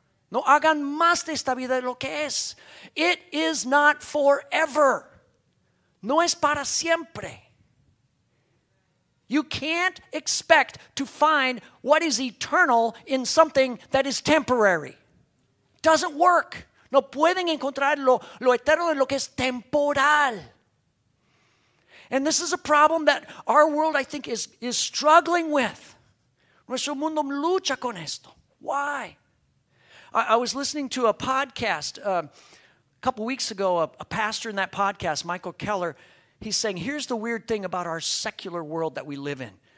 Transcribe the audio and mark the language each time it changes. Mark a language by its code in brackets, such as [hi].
[es] No hagan más de esta vida de lo que es. [en] It is not forever. [es] No es para siempre. [en] You can't expect to find what is eternal in something that is temporary. Doesn't work. [es] No pueden encontrar lo eterno en lo que es temporal. [en] And this is a problem that our world, I think, is struggling with. [es] Nuestro mundo lucha con esto. [en] Why? I was listening to a podcast a couple weeks ago, a pastor in that podcast, Michael Keller, he's saying, here's the weird thing about our secular world that we live in.